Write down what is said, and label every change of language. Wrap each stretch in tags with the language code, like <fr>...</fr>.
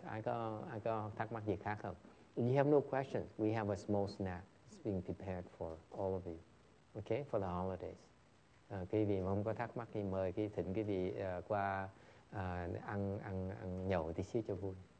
<en>I go,</en> <vi>thakmak gì khác không?</vi> <en>If you have no questions, we have a small snack. It's being prepared for all of you, okay, for the holidays.</en> <vi>Quý vị mà không có thắc mắc thì mời cái thỉnh quý vị qua ăn nhậu tí xíu cho vui.</vi>